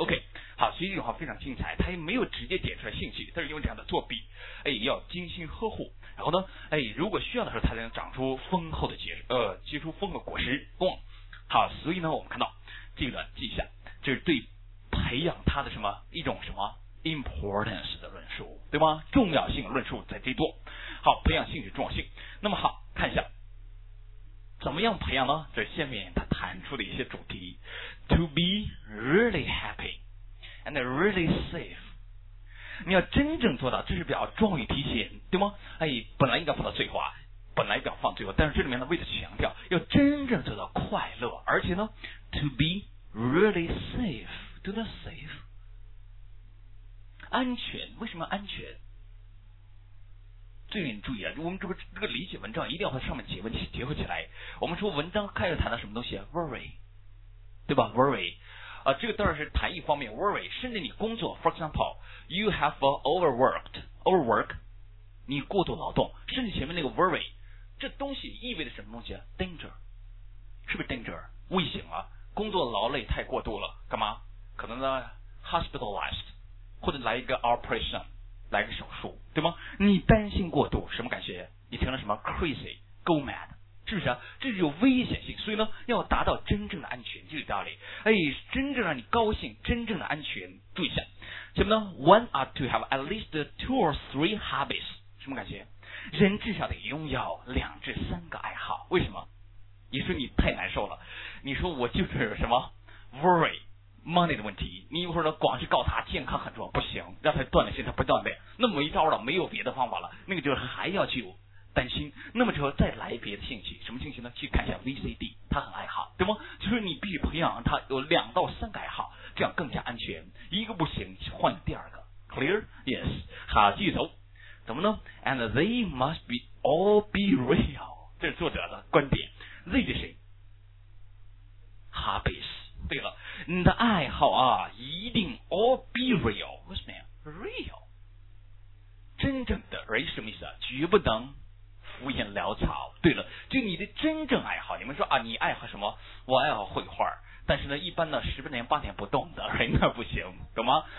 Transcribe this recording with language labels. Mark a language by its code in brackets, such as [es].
[zh] OK， 好，所以这句话非常精彩，他也没有直接点出来兴趣，他是用这样的作弊，哎，要精心呵护，然后呢，哎，如果需要的时候才能长出丰厚的结出丰厚的果实。好，所以呢我们看到这段记下，这是对培养他的什么一种什么 importance 的论述，对吗？重要性论述在这多。好，培养兴趣重要性。那么好，看一下怎么样培养呢？这下面他谈出的一些主题 ： [en] to be really happy and really safe。 [zh] 你要真正做到，这是比较壮语提前，对吗？哎，本来应该放到最后啊，本来应该放最后，但是这里面呢，为了强调要真正做到快乐，而且呢 ， [en] to be really safe。 Do not safe， [zh] 安全，为什么安全？这里你注意啊，我们这个理解文章一定要和上面结合起来。我们说文章开始谈的什么东西啊 ？Worry， 对吧 ？Worry， 啊，这个当然是谈一方面 ，worry， 甚至你工作 ， [en] for example， you have overwork， [zh] 你过度劳动，甚至前面那个 worry， 这东西意味着什么东西啊 ？Danger， 是不是 danger？危险啊，工作劳累太过度了，干嘛？可能呢 hospitalized， 或者来一个 operation， 来个手术，对吗？你担心过度，什么感觉？你成了什么 [en] crazy go mad， [zh] 是不是啊？这是有危险性，所以呢要达到真正的安全，就是道理。哎，真正让你高兴，真正的安全，注意一下什么呢？ [en] One ought to have at least two or three hobbies， 什么感觉？ [zh] 人至少得拥有两至三个爱好。为什么？你说你太难受了，你说我就是什么 worryMoney 的问题，你一会儿呢光是告他健康很重要，不行，让他锻炼，现在不锻炼，那没招了，没有别的方法了，那个就是还要去担心。那么之后再来别的兴趣，什么兴趣呢？去看一下 VCD， 他很爱好，对吗？就是你必须培养他有两到三个爱好，这样更加安全。一个不行，换第二个 ，clear？ [en] Yes， [zh] 好，继续走，怎么呢 [en] ？And they must be all be real， [zh] 这是作者的观点。 [en] They [zh] 是谁 [en] ？Hobbies。 [zh] 对了，你的爱好啊，一定 [en] all be real， [zh] 为什么呀 ？real， 真正的 real 什么意思啊？绝不能敷衍潦草。对了，就你的真正爱好，你们说啊，你爱好什么？我爱好绘画，但是呢，一般呢，十分年八年不动的，哎，那不行，懂吗？